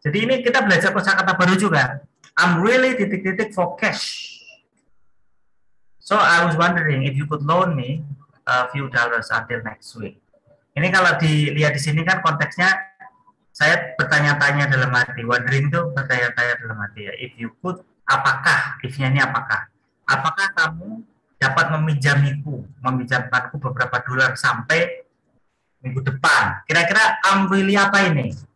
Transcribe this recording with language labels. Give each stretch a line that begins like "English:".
Indonesian: Jadi ini kita belajar kosakata baru juga.
English: I'm really
Indonesian: titik-titik
English: for cash. So I was wondering if you could loan me a few dollars until next week.
Indonesian: Ini kalau dilihat di sini kan konteksnya. Saya bertanya-tanya dalam hati, wondering itu bertanya-tanya dalam hati ya.
English: If you could,
Indonesian: apakah, if-nya ini apakah? Apakah kamu dapat meminjamkanku beberapa dolar sampai minggu depan? Kira-kira
English: I'm really
Indonesian: apa ini?